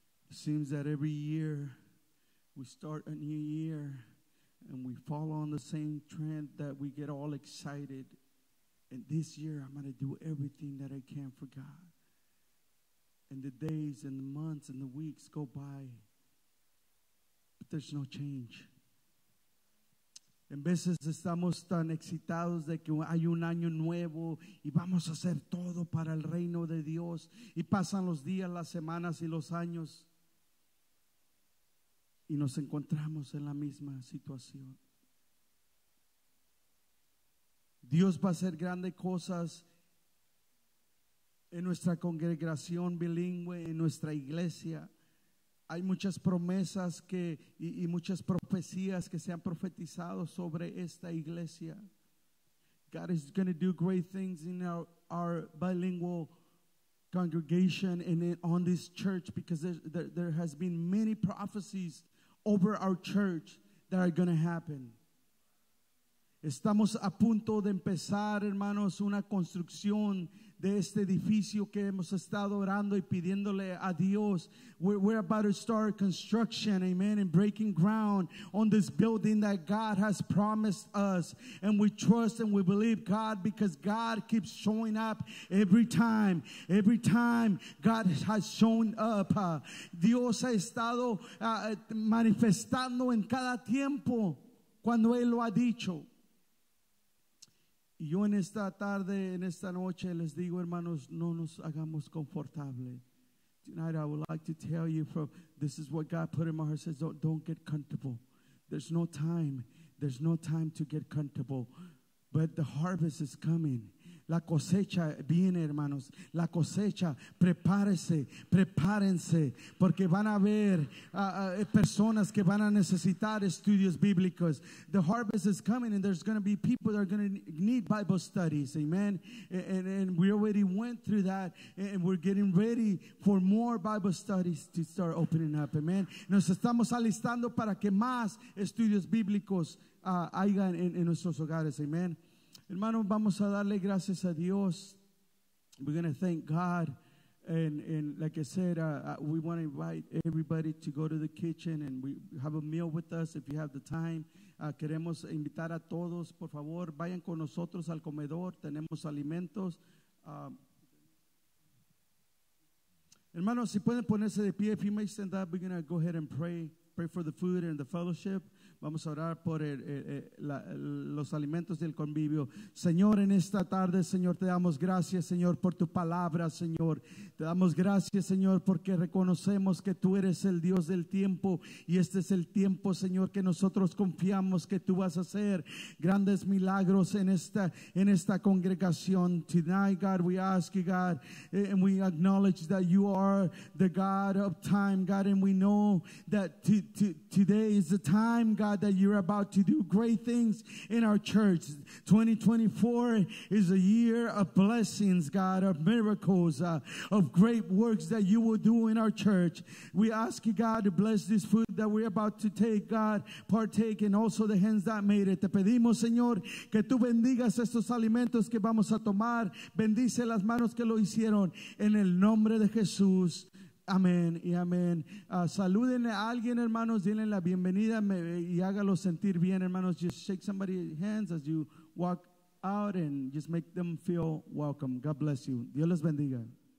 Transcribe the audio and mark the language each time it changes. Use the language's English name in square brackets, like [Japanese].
[English] It seems that every year we start a new year and we follow on the same trend that we get all excited. And this year I'm going to do everything that I can for God. And the days and the months and the weeks go by, but there's no change. [Spanish] En veces estamos tan excitados de que hay un año nuevo y vamos a hacer todo para el reino de Dios. Y pasan los días, las semanas y los años y nos encontramos en la misma situación. Dios va a hacer grandes cosas en nuestra congregación bilingüe, en nuestra iglesia. Hay muchas promesas que y muchas profecías que se han profetizado sobre esta iglesia. [English] God is going to do great things in our bilingual congregation and on this church, because there has been many prophecies over our church that are going to happen. [Spanish] Estamos a punto de empezar, hermanos, una construcción de este edificio que hemos estado orando y pidiéndole a Dios. [English] We're about to start construction, amen, and breaking ground on this building that God has promised us. And we trust and we believe God, because God keeps showing up every time. Every time God has shown up. [Spanish] Dios ha estado manifestando en cada tiempo cuando Él lo ha dicho. Y yo en esta tarde, en esta noche, les digo, hermanos, no nos hagamos confortable. [English] Tonight I would like to tell you, from this is what God put in my heart, says, don't get comfortable. There's no time. There's no time to get comfortable. But the harvest is coming. [Spanish] La cosecha viene, hermanos. La cosecha, prepárese, prepárense, porque van a haber personas que van a necesitar estudios bíblicos. [English] The harvest is coming, and there's going to be people that are going to need Bible studies, amen. And we already went through that, and we're getting ready for more Bible studies to start opening up, amen. [Spanish] Nos estamos alistando para que más estudios bíblicos haya en nuestros hogares, amen. Hermanos, vamos a darle gracias a Dios. [English] We're going to thank God. And like I said, we want to invite everybody to go to the kitchen and we have a meal with us if you have the time. [Spanish] Queremos invitar a todos, por favor, vayan con nosotros al comedor. Tenemos alimentos. Hermanos, si pueden ponerse de pie, [English] if you may stand up, we're going to go ahead and pray for the food and the fellowship. [Spanish] Vamos a orar por los alimentos del convivio. Señor, en esta tarde, Señor, te damos gracias, Señor, por tu palabra, Señor. Te damos gracias, Señor, porque reconocemos que tú eres el Dios del tiempo. Y este es el tiempo, Señor, que nosotros confiamos que tú vas a hacer grandes milagros en esta congregación. [English] Tonight, God, we ask you, God, and we acknowledge that you are the God of time, God. And we know that today is the time, God, that you're about to do great things in our church. 2024 is a year of blessings, God, of miracles, of great works that you will do in our church. We ask you, God, to bless this food that we're about to take, God, partake, and also the hands that made it. [Spanish] Te pedimos, Señor, que tú bendigas estos alimentos que vamos a tomar. Bendice las manos que lo hicieron. En el nombre de Jesús. Amén y amén. Saluden a alguien, hermanos, denle la bienvenida y hágalo sentir bien, hermanos. [English] Just shake somebody's hands as you walk out and just make them feel welcome. God bless you. [Spanish] Dios les bendiga.